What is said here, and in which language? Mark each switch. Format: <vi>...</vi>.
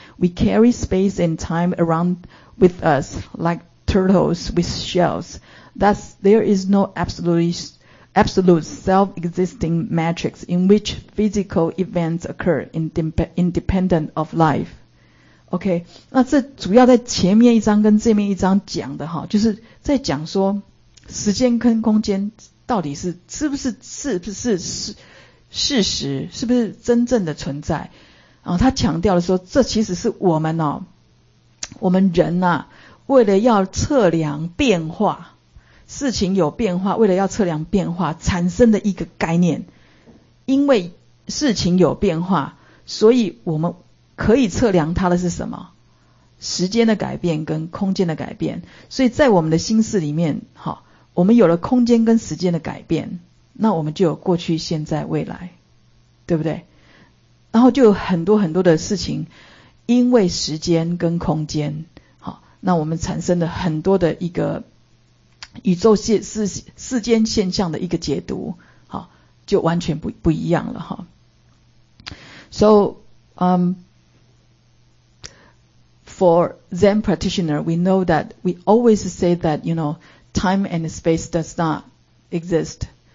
<en>We carry space and time around with us like turtles with shells. Thus, there is no absolute self-existing matrix in which physical events occur independent of life.</en> <zh>OK, 那这主要在前面一章跟这边一章讲的哈，就是在讲说时间跟空间到底是不是事实，是不是真正的存在。然后他强调的说，这其实是我们哦，我们人啊，为了要测量变化，事情有变化，为了要测量变化产生的一个概念。因为事情有变化，所以我们可以测量它的是什么？时间的改变跟空间的改变。所以在我们的心识里面，好，我们有了空间跟时间的改变，那我们就有过去、现在、未来，对不对？然后就有很多很多的事情，因为时间跟空间，好，那我们产生了很多的一个宇宙世间现象的一个解读，好，就完全不一样了，哈。</zh> <en>So, For Zen practitioner, we know that we always say that, you know, time and space does not exist.</en>